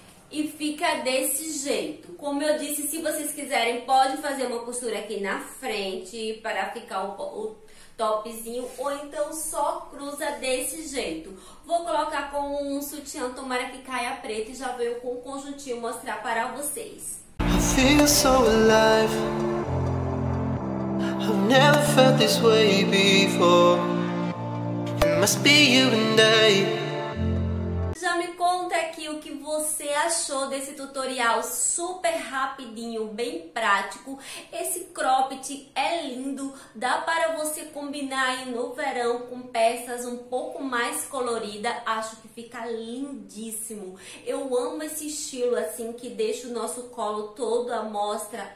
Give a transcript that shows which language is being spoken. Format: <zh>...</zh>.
<pt>E fica desse jeito. Como eu disse, se vocês quiserem, pode fazer uma costura aqui na frente para ficar o topzinho. Ou então só cruza desse jeito. Vou colocar com um sutiã, tomara que caia preto. E já veio com um conjuntinho mostrar para vocês.</pt> <en>I feel so alive. I've never felt this way before. It must be you and I.</en> <pt>me conta aqui o que você achou desse tutorial super rapidinho, bem prático. Esse cropped é lindo, dá para você combinar aí no verão com peças um pouco mais coloridas. Acho que fica lindíssimo. Eu amo esse estilo assim que deixa o nosso colo todo à mostra.</pt>